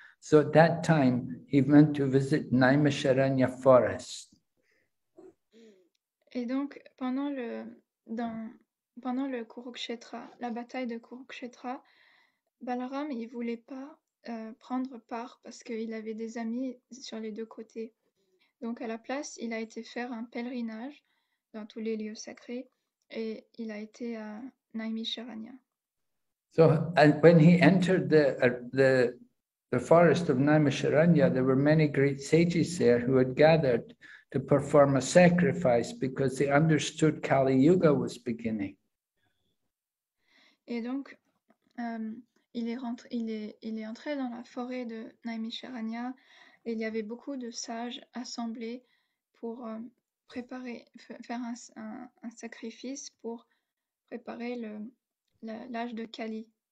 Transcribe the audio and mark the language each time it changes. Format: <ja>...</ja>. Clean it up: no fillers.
<en>So at that time, he went to visit Naimisharanya forest.</en> <fr>Et donc, pendant le, dans, pendant le Kurukshetra, la bataille de Kurukshetra, Balaram, il voulait pas prendre part parce qu'il avait des amis sur les deux côtés. Donc à la place, il a été faire un pèlerinage dans tous les lieux sacrés et il a été à Naimisharanya.</fr> <en>So when he entered the forest of Naimisharanya, there were many great sages there who had gathered to perform a sacrifice because they understood Kali Yuga was beginning.</en> <fr>Et donc, il est entré dans la forêt de Naimisharanya et il y avait beaucoup de sages assemblés pour faire un sacrifice pour préparer l'âge de Kali.</fr>